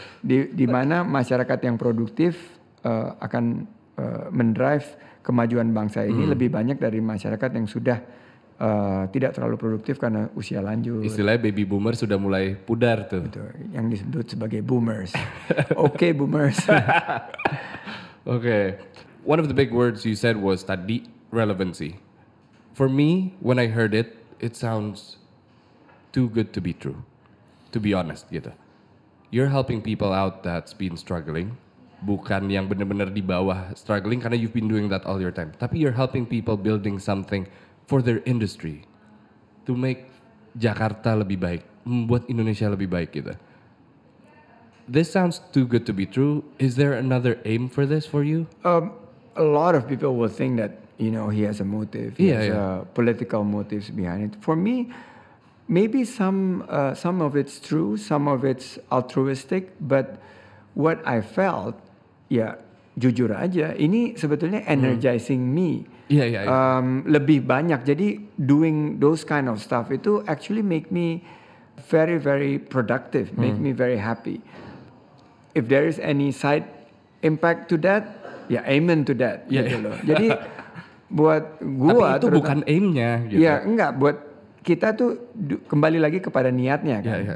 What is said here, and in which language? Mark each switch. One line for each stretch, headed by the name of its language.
Indonesian: Di mana masyarakat yang produktif akan mendrive kemajuan bangsa ini lebih banyak dari masyarakat yang sudah tidak terlalu produktif karena usia lanjut. Istilahnya baby boomer sudah mulai pudar tuh. Betul. Yang disebut sebagai boomers.
English: Okay, boomers. Okay, one of the big words you said was
Indonesian: tadi
English: relevancy. For me, when I heard it, it sounds too good to be true. To be honest, gitu. You're helping people out that's been struggling.
Indonesian: Bukan yang benar-benar di bawah struggling, karena
English: you've been doing that all your time.
Indonesian: Tapi
English: you're helping people building something for their industry. To make
Indonesian: Jakarta lebih baik, membuat Indonesia lebih baik, gitu.
English: This sounds too good to be true. Is there another aim for this for you? A lot of people will think that, you know, he has a motive. He has political motives behind it. For me, maybe some of it's true, some of it's altruistic. But what I felt,
Indonesian: jujur aja, ini sebetulnya
English: energizing me.
Indonesian: Lebih banyak. Jadi
English: doing those kind of stuff, itu actually make me very, very productive, make me very happy. If there is any side impact to that, amen to that.
Indonesian: Jadi buat gua, tapi itu bukan aimnya. Gitu. Ya enggak, buat kita tuh kembali lagi kepada niatnya kan.